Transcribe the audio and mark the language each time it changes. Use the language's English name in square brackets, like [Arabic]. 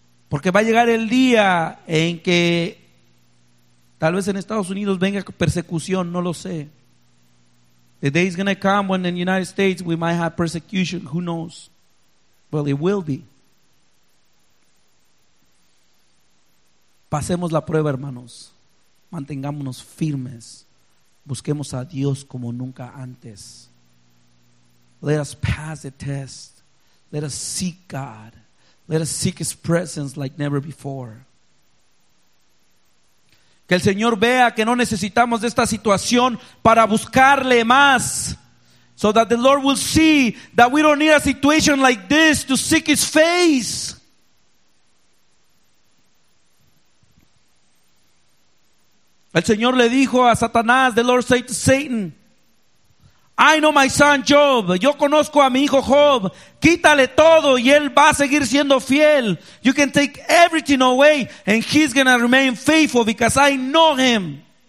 [Spanish] Porque va a llegar el día en que tal vez en Estados Unidos venga persecución, no lo sé. [English] The day is going to come when in the United States we might have persecution, who knows? Well, it will be. [Spanish] Pasemos la prueba, hermanos. Mantengámonos firmes. Busquemos a Dios como nunca antes. [English] Let us pass the test. Let us seek God. Let us seek His presence like never before. [Spanish] Que el Señor vea que no necesitamos de esta situación para buscarle más. [English] So that the Lord will see that we don't need a situation like this to seek His face. [Spanish] El Señor le dijo a Satanás, [English] the Lord said to Satan, I know my son Job. [Spanish] Yo conozco a mi hijo Job. Quítale todo y él va a seguir siendo fiel. [English] You can take everything away and he's going to remain faithful because I know him.